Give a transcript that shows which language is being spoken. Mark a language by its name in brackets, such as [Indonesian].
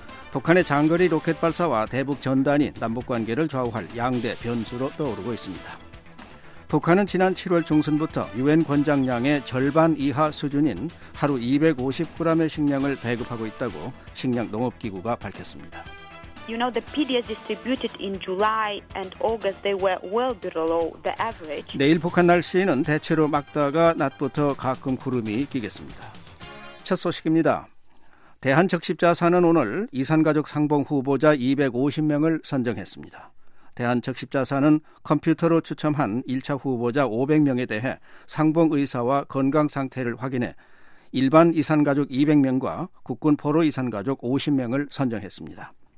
[Korean] 북한의 장거리 로켓 발사와 대북 전단이 남북관계를 좌우할 양대 변수로 떠오르고 있습니다. 북한은 지난 7월 중순부터 유엔 권장량의 절반 이하 수준인 하루 250g의 식량을 배급하고 있다고 식량농업기구가 밝혔습니다. [English] You know, the PDS distributed in July and August, they were well below the average. [Korean] 내일 북한 날씨는 대체로 맑다가 낮부터 가끔 구름이 끼겠습니다. 첫 소식입니다. 대한적십자사는 오늘 이산가족 상봉 후보자 250명을 선정했습니다. 대한적십자사는 컴퓨터로 추첨한 1차 후보자 500명에 대해 상봉 의사와 건강 상태를 확인해 일반 이산가족 200명과 국군 포로 이산가족 50명을 선정했습니다.